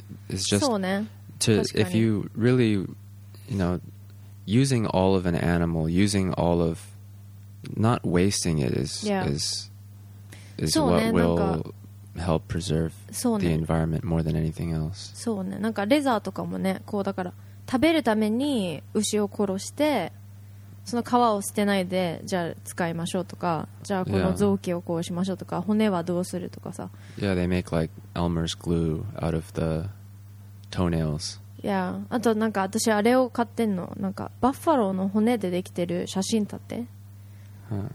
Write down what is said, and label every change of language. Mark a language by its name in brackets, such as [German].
[English] It's just... [Japanese] そうね。 [English] To, if you really, you know... Using all of an animal, using all of, not wasting it is、 yeah. is what will help preserve the environment more than anything else. [Japanese] そうね。なんかレザーとかもね、こうだから食べるために牛を殺してその皮を捨てないでじゃあ使いましょうとかじゃあこの臓器をこうしましょうとか、 [English] yeah. [Japanese] 骨はどうするとかさ [English] Yeah, they make like Elmer's glue out of the toenails [Japanese] Yeah, あとなんか私あれを買ってんのなんかバッファローの骨でできてる写真立て、huh.